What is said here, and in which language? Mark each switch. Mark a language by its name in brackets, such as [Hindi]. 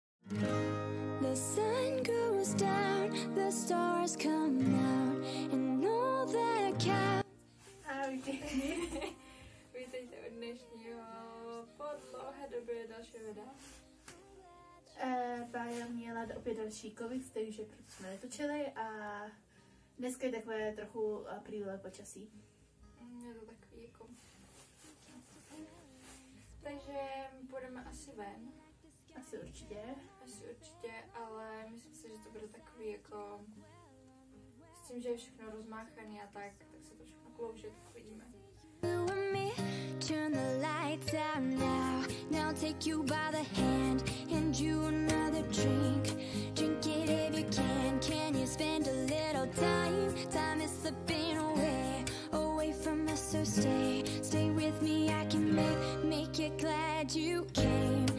[English] The sun goes down, the stars come out, and all the cats. [Czech] Ahoj, vítejte u dnešního po dlouhé době další videa. Bája měla opět další covid, takže proto jsme netočili a dneska je takové trochu aprílové počasí. Je to takový jako... Takže půjdeme asi ven. Asi určitě, ale myslím si, že to bude takový jako, s tím, že je všechno rozmáchaný a tak, tak se to všechno klouže, tak uvidíme. [English] Turn the lights out now. Now take you by the hand and you another drink. Drink it if you can. Can you spend a little time? Time is slipping away, away from us. So stay, stay with me. I can make make you glad you came.